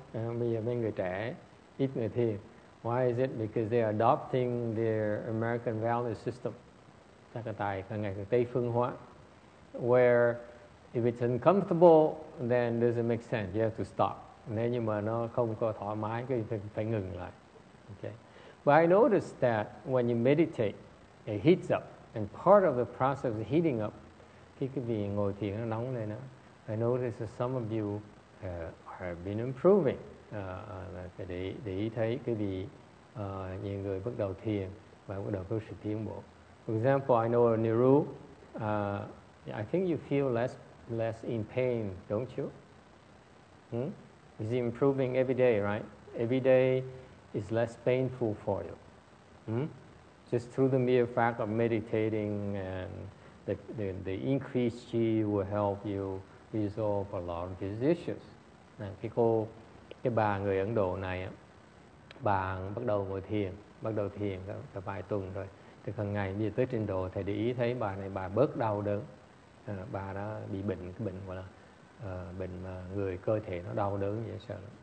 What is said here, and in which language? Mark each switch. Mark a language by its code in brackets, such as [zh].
[vi] Bây giờ mấy người trẻ ít người thiền. [en] Why is it? Because they are adopting their American value system. [vi] Chắc là tại ngày càng Tây phương hóa. [en] Where if it's uncomfortable, then it doesn't make sense. You have to stop. [vi] Nếu như mà nó không có thoải mái, thì phải ngừng lại. [en] Okay. But I noticed that when you meditate, it heats up. And part of the process of heating up, [vi] khi quý vị ngồi thiền nó nóng lên đó, [en] I noticed that some of you have been improving. [vi] Để ý thấy quý vị, nhiều người bắt đầu thiền và bắt đầu có sự tiến bộ. [en] For example, I know Niru, I think you feel less in pain, don't you? Is it improving every day, right? Every day is less painful for you. Just through the mere fact of meditating and the increased qi will help you resolve a lot of these issues. [vi] Cái bà người Ấn Độ này, bà bắt đầu ngồi thiền, cả vài tuần rồi. Thì hằng ngày bây giờ tới trình độ, thầy để ý thấy bà này bà bớt đau đớn. Bà đã bị bệnh, cái bệnh gọi là bệnh mà người cơ thể nó đau đớn dễ sợ lắm.